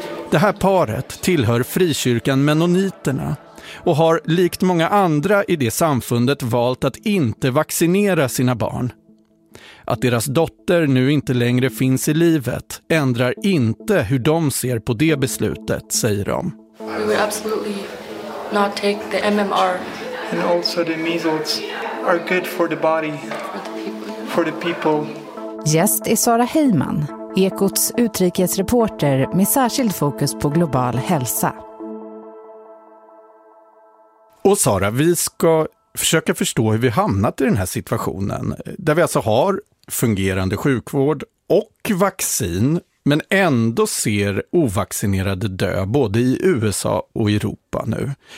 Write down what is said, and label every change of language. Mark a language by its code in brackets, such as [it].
[sv] Det här paret tillhör frikyrkan Mennoniterna och har likt många andra i det samfundet valt att inte vaccinera sina barn. Att deras dotter nu inte längre finns i livet ändrar inte hur de ser på det beslutet, säger de. [en] We would absolutely not take the MMR. And also the measles are good for the body, for the people. [sv] Gäst är Sara Heyman, Ekots utrikesreporter med särskild fokus på global hälsa. Och Sara, vi ska försöka förstå hur vi hamnat i den här situationen. Där vi alltså har fungerande sjukvård och vaccin, men ändå ser ovaccinerade dö både i USA och Europa nu.